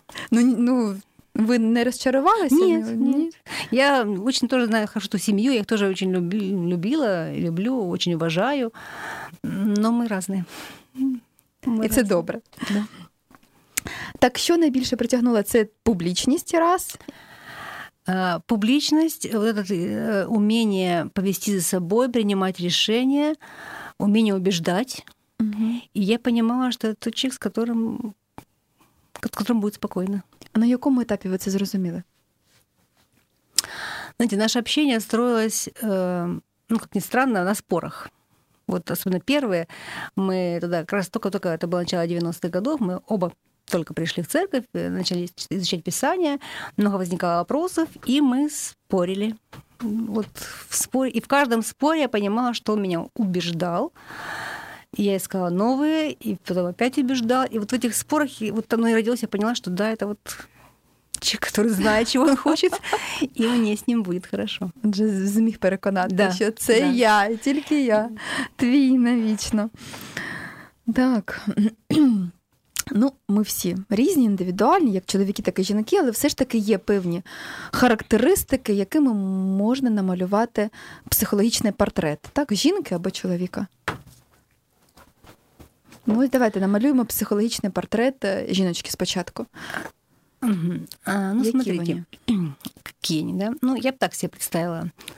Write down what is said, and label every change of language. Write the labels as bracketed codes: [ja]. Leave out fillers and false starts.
[uk] Ну, ви не розчарувалися? Ні, ні. Я дуже теж знаю хорошу ту сім'ю, я їх теж дуже любила, люблю, дуже вважаю, але ми різні. І це добре. Да. Так, що найбільше притягнуло? Це публічність раз? [ru] Публічність, вот это умение повести за собой, принимать решения, умение убеждать. І я понимала, [uk] що це той [ru] чек, з которым будет спокойно. [uk] А на якому етапі ви це зрозуміли? [ru] Знаете, наше общение строилось, ну, как ни странно, на спорах. Вот особенно первые, мы тогда как раз только-только, это было начало 90-х годов, мы оба только пришли в церковь, начали изучать Писание, много возникало вопросов, и мы спорили. Вот в споре, и в каждом споре я понимала, что он меня убеждал, я искала новые, и потом опять убеждал. И вот в этих спорах, и вот там и родилась, я поняла, что да, это вот [uk] чоловічок, який знає, чого він хоче, і мені з ним буде хорошо. Він же зміг переконати, да, що це да, я, і тільки я, твій навічно. Так, ну, ми всі різні, індивідуальні, як чоловіки, так і жінки, але все ж таки є певні характеристики, якими можна намалювати психологічний портрет. Так, жінки або чоловіка. Ну, давайте намалюємо психологічний портрет жіночки спочатку. [ru] Ну, смотрите, какие они, да? Ну, я бы так себе представила.